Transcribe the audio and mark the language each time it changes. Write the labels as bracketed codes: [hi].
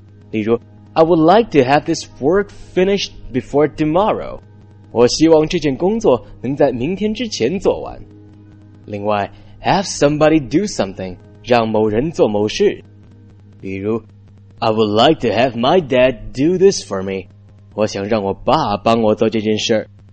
[zh] 例如 [en] I would like to have this work finished before tomorrow. [zh] 我希望这件工作能在明天之前做完。另外 [en] Have somebody do something, [zh] 让某人做某事。例如 [en] I would like to have my dad do this for me. [zh] 我想让我爸帮我做这件事。